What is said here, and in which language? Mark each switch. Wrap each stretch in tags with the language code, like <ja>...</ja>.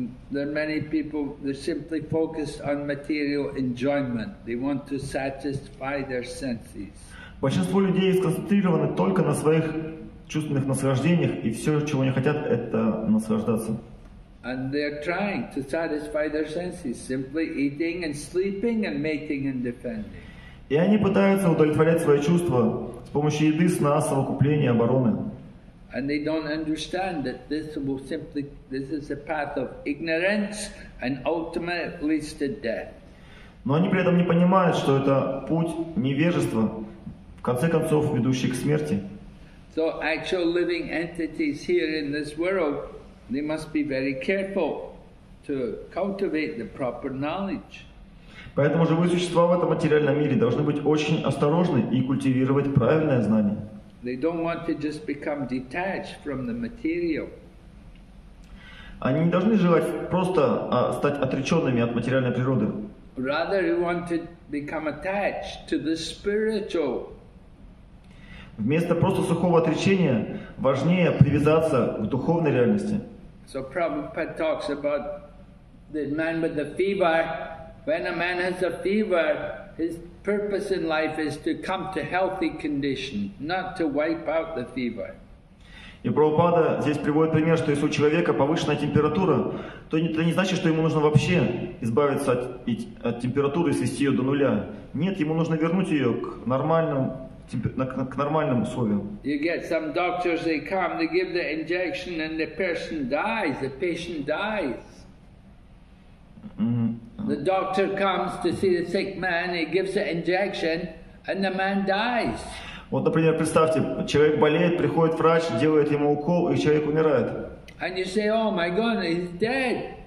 <en>There are many people, they're simply focused on material enjoyment. They want to satisfy their senses.</en> <ru>Большинство людей сконцентрированы только на своих чувственных наслаждениях, и все, чего они хотят, это наслаждаться.</ru> <en>And they're trying to satisfy their senses, simply eating and sleeping and mating and defending.</en> <ru>И они пытаются удовлетворять свои чувства с помощью еды, сна, совокупления, обороны.</ru> <en>And they don't understand that this is a path of ignorance and ultimately leads to death.</en> <ru>Но они при этом не понимают, что это путь невежества, в конце концов, ведущий к смерти.</ru> <en>So actual living entities here in this world, they must be very careful to cultivate the proper knowledge.</en> <ru>Поэтому живые существа в этом материальном мире должны быть очень осторожны и культивировать правильное знание.</ru> <en>They don't want to just become detached from the material.</en> <ru>Они не должны желать просто стать отреченными от материальной природы.</ru> <en>Rather, they want to become attached to the spiritual.</en> <ru>Вместо просто сухого отречения важнее привязаться к духовной реальности.</ru> <en>So Prabhupada talks about the man with the fever. When a man has a fever, his purpose in life is to come to healthy condition, not to wipe out the fever.</en> <ru>И Прабхупада здесь приводит пример, что если у человека повышенная температура, то это не значит, что ему нужно вообще избавиться от температуры и свести ее до нуля. Нет, ему нужно вернуть ее к нормальным условиям.</ru> <en>You get some doctors, they come, they give the injection and the person dies, the patient dies. The doctor comes to see the sick man, he gives the injection and the man dies.</en> <ru>Вот, например, представьте, человек болеет, приходит врач, делает ему укол, и человек умирает.</ru> <en>And you say, oh my God, he's dead.</en>